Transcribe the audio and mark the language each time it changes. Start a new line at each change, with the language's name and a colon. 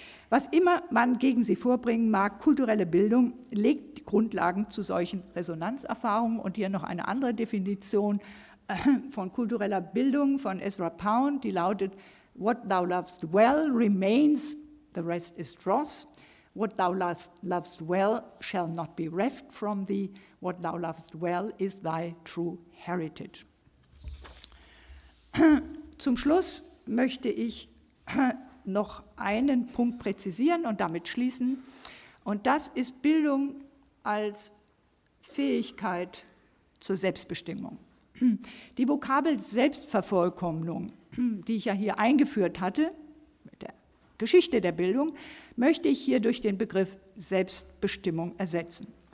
German: Was immer man gegen sie vorbringen mag, kulturelle Bildung legt die Grundlagen zu solchen Resonanzerfahrungen. Und hier noch eine andere Definition von kultureller Bildung von Ezra Pound, die lautet,
English: what thou lovest well remains, the rest is dross. What thou lovest well shall not be reft from thee. What thou lovest well is thy true heritage.
German: Zum Schluss möchte ich noch einen Punkt präzisieren und damit schließen. Und das ist Bildung als Fähigkeit zur Selbstbestimmung. Die Vokabel Selbstvervollkommnung, die ich ja hier eingeführt hatte, mit der Geschichte der Bildung, möchte ich hier durch den Begriff Selbstbestimmung ersetzen.